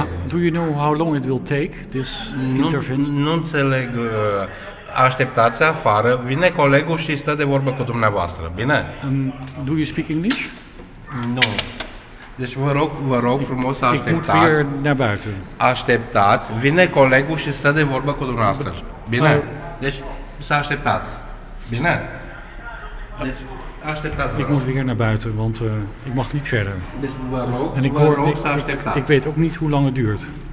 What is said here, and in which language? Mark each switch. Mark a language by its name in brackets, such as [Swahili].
[English] Do you know how long it will take, this intervention? [Romanian] Nu înțeleg. Așteptați afară, vine colegul și stă de vorbă cu dumneavoastră, bine? [English] Do you speak English? No. [Romanian] Deci vă rog frumos să așteptați. Așteptați, vine colegul și stă de vorbă cu dumneavoastră, bine? Deci să așteptați, bine? Deci... [Dutch] Ik moet weer naar buiten, want ik mag niet verder. En ik weet ook niet hoe lang het duurt.